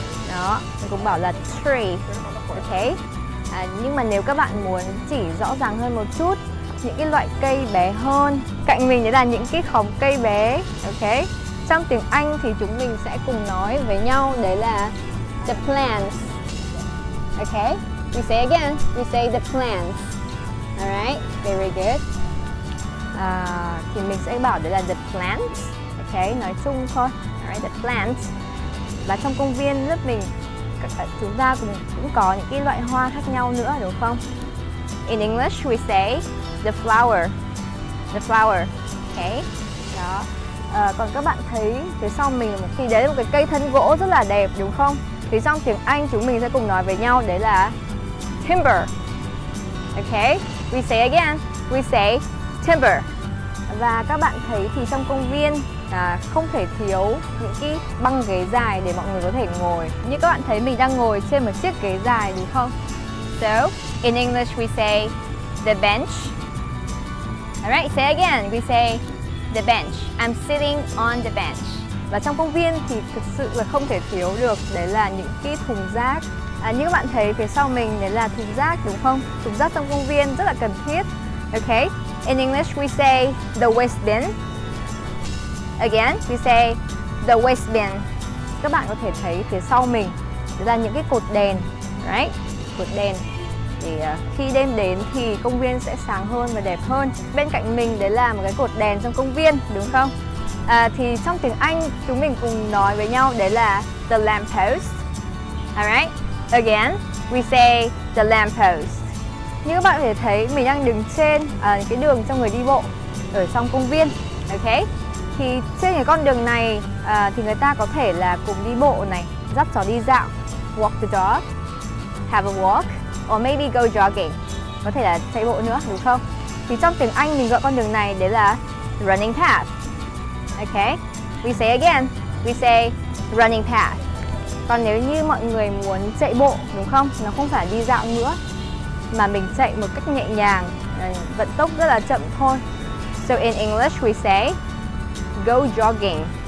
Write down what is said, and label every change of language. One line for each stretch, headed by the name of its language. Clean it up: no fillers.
Vietnamese: Đó, mình cũng bảo là tree. Ok. Nhưng mà nếu các bạn muốn chỉ rõ ràng hơn một chút, những cái loại cây bé hơn, cạnh mình đấy là những cái khóm cây bé. Ok. Trong tiếng Anh thì chúng mình sẽ cùng nói với nhau, đấy là the plants. Ok.
English: We say again, we say the plants. Alright, very good.
Vietnamese: Thì mình sẽ bảo đấy là the plants. Ok, nói chung thôi. Alright, the plants. Và trong công viên lớp mình, chúng ta cũng có những cái loại hoa khác nhau nữa, đúng không?
English: In English we say the flower. The flower. Ok. Đó.
Vietnamese: Còn các bạn thấy phía sau mình thì đấy là một cái cây thân gỗ rất là đẹp, đúng không? Thì trong tiếng Anh chúng mình sẽ cùng nói với nhau đấy là timber.
English: Ok, we say again, we say timber.
Vietnamese: Và các bạn thấy thì trong công viên không thể thiếu những cái băng ghế dài để mọi người có thể ngồi. Như các bạn thấy mình đang ngồi trên một chiếc ghế dài, đúng không?
English: So, in English we say the bench. Alright, say again, we say the bench. I'm sitting on the bench.
Vietnamese: Và trong công viên thì thực sự là không thể thiếu được, đấy là những cái thùng rác. Như các bạn thấy phía sau mình đấy là thùng rác, đúng không? Thùng rác trong công viên rất là cần thiết. Ok.
English: In English we say the waste bin. Again, we say the waste bin.
Vietnamese: Các bạn có thể thấy phía sau mình là những cái cột đèn, right? Cột đèn. Thì khi đêm đến thì công viên sẽ sáng hơn và đẹp hơn. Bên cạnh mình đấy là một cái cột đèn trong công viên, đúng không? Thì trong tiếng Anh chúng mình cùng nói với nhau đấy là the lamppost. Alright?
English: Again, we say the lamppost.
Vietnamese: Như các bạn có thể thấy, mình đang đứng trên cái đường cho người đi bộ ở trong công viên. Ok. Thì trên cái con đường này thì người ta có thể là cùng đi bộ này, dắt chó đi dạo,
English: walk the dog, have a walk, or maybe go jogging.
Vietnamese: Có thể là chạy bộ nữa, đúng không? Thì trong tiếng Anh mình gọi con đường này đấy là running path. Ok.
English: We say again, we say running path.
Vietnamese: Còn nếu như mọi người muốn chạy bộ, đúng không? Nó không phải đi dạo nữa, mà mình chạy một cách nhẹ nhàng, vận tốc rất là chậm thôi.
English: So in English we say go jogging.